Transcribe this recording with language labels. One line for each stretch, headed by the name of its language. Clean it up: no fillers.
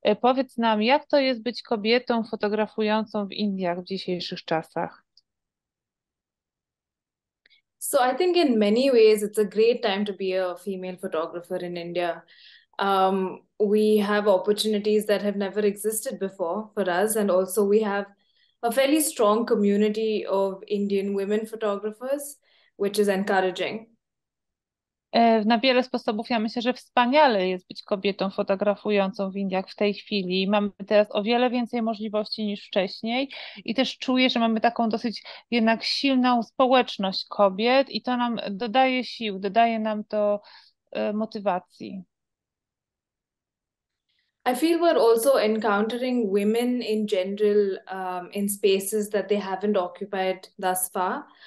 Polish: Powiedz nam, jak to jest być kobietą fotografującą w Indiach w dzisiejszych czasach?
English: So I think in many ways, it's a great time to be a female photographer in India. We have opportunities that have never existed before for us. And also we have a fairly strong community of Indian women photographers, which is encouraging.
Polish: Na wiele sposobów ja myślę, że wspaniale jest być kobietą fotografującą w Indiach w tej chwili. Mamy teraz o wiele więcej możliwości niż wcześniej i też czuję, że mamy taką dosyć jednak silną społeczność kobiet i to nam dodaje sił, dodaje nam to motywacji.
English: I feel we're also encountering women in general in spaces that they haven't occupied thus far.